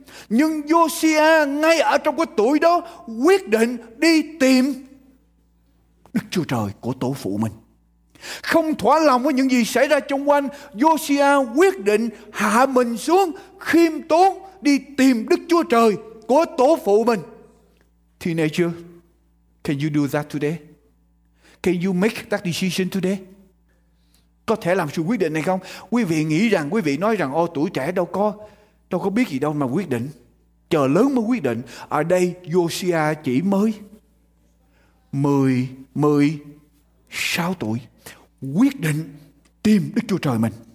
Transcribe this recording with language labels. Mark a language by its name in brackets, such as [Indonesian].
[Vietnamese] Nhưng Josiah ngay ở trong cái tuổi đó quyết định đi tìm Đức Chúa Trời của tổ phụ mình. Không thỏa lòng với những gì xảy ra xung quanh, Josiah quyết định hạ mình xuống, khiêm tốn đi tìm Đức Chúa Trời của tổ phụ mình. [English] Teenager, can you do that today? Can you make that decision today? [Vietnamese] Có thể làm sự quyết định này không? Quý vị nghĩ rằng, quý vị nói rằng, ô tuổi trẻ đâu có biết gì đâu mà quyết định, chờ lớn mới quyết định. Ở đây Josiah chỉ mới 16 tuổi, quyết định tìm Đức Chúa Trời mình.